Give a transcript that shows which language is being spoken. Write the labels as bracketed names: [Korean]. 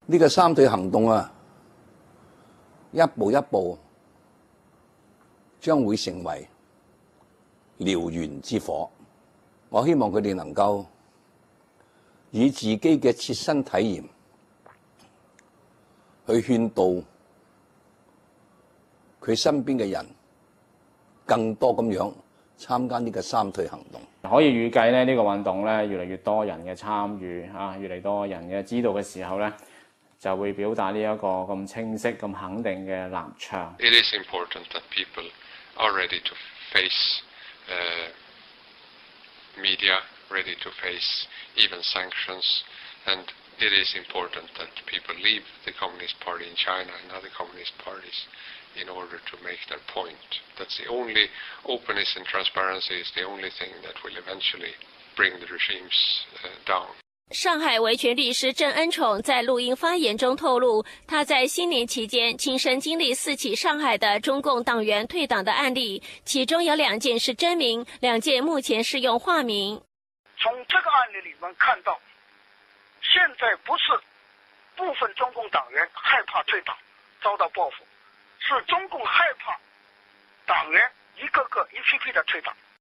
[Chinese] 这个三退行动啊，一步一步将会成为燎原之火，我希望他们能够以自己的切身体验去劝导他身边的人更多地参加这个三退行动。可以预计呢，这个运动呢越来越多人的参与，越来越多人的知道的时候呢，就会表达这一个这么清晰这么肯定的立场。 [English] It is important that people are ready to face media, ready to face even sanctions, and it is important that people leave the Communist Party in China and other Communist Parties. In order to make their point, that's the only openness and transparency is the only thing that will eventually bring the regimes down. [Chinese] 上海维权律师郑恩宠在录音发言中透露，他在新年期间亲身经历四起上海的中共党员退党的案例，其中有两件是真名，两件目前是用化名。从这个案例里面看到，现在不是部分中共党员害怕退党遭到报复，是中共害怕党员一个个一批批的退党。